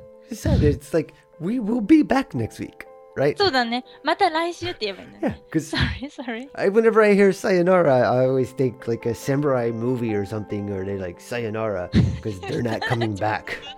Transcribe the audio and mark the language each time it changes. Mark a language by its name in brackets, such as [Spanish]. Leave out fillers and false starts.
[English] It's sad It's like We will be back next week Right [Japanese] そうだねまた来週って言えばいいんだね [English] yeah, Sorry Whenever I hear sayonara I always think like a samurai movie or something Or they're like sayonara Because they're not coming back